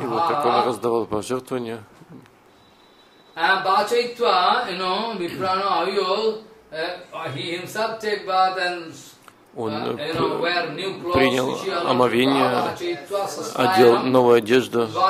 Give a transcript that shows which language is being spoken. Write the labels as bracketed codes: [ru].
[ru] И вот так он раздавал пожертвования. [en] And Bachaitva, you know, viprano ahuyo, he himself take bath and [ru] он принял омовение, одел новую одежду.